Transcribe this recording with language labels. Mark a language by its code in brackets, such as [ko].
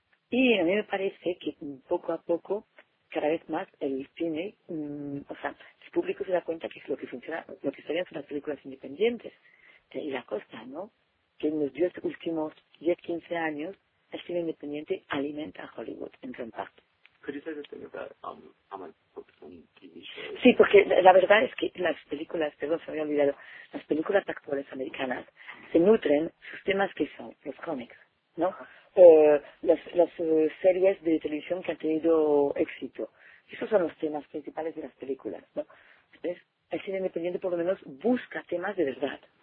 [es] Y a mí me parece que poco a poco, cada vez más, el cine, o sea, el público se da cuenta que lo que funciona, lo que está bien son las películas independientes. Y la cosa, ¿no? Que en los últimos 10, 15 años, el cine independiente alimenta a Hollywood en gran parte. [en] Could you say the thing about how much books and TV shows? [es] Sí, porque la verdad es que las películas, perdón, se me había olvidado, las películas actuales americanas se nutren sus temas que son los cómics, ¿no? Las series de televisión que han tenido éxito. Esos son los temas principales de las películas, ¿no? Entonces, el cine independiente por lo menos busca temas de verdad.